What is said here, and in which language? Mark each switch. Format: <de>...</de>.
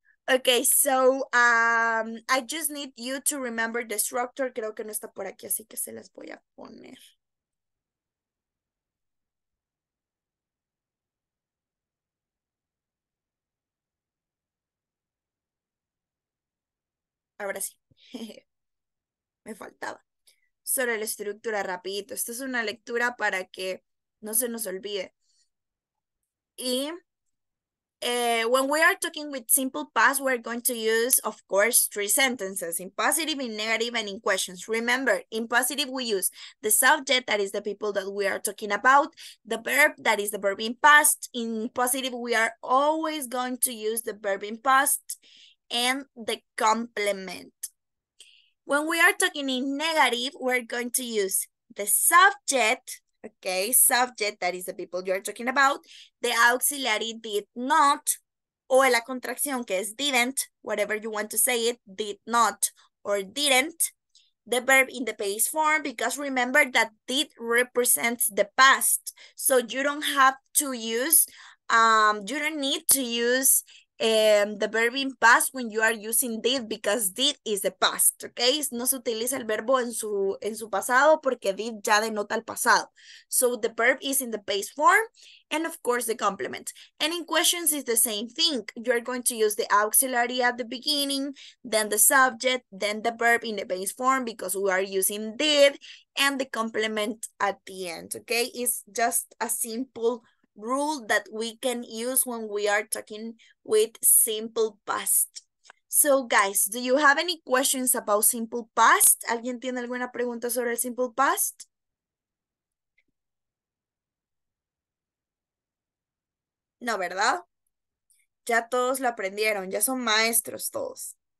<en>Okay, so I just need you to remember the structure.</en> <es>Creo que no está por aquí, así que se las voy a poner. Ahora sí. Me faltaba. Sobre la estructura, rapidito. Esta es una lectura para que no se nos olvide.</es> <en>Y when we are talking with simple past, we're going to use, of course, three sentences. In positive, in negative, and in questions. Remember, in positive, we use the subject, that is the people that we are talking about. The verb, that is the verb in past. In positive, we are always going to use the verb in past. And the complement. When we are talking in negative, we're going to use the subject, okay, subject, that is the people you're talking about, the auxiliary did not, or</en> <es>la contracción que es</es> <en>didn't, whatever you want to say it, did not or didn't, the verb in the past form, because remember that did represents the past, so you don't have to use, you don't need to use the verb in past when you are using did, because did is the past, okay?</en> <es>No se utiliza el verbo en su pasado porque did ya denota el pasado.</es> <en>So the verb is in the base form and of course the complement. And in questions is the same thing. You are going to use the auxiliary at the beginning, then the subject, then the verb in the base form because we are using did, and the complement at the end, okay? It's just a simple rule that we can use when we are talking with simple past. So guys, do you have any questions about simple past?</en> <es>¿Alguien tiene alguna pregunta sobre el simple past? No, ¿verdad? Ya todos lo aprendieron, ya son maestros todos.</es>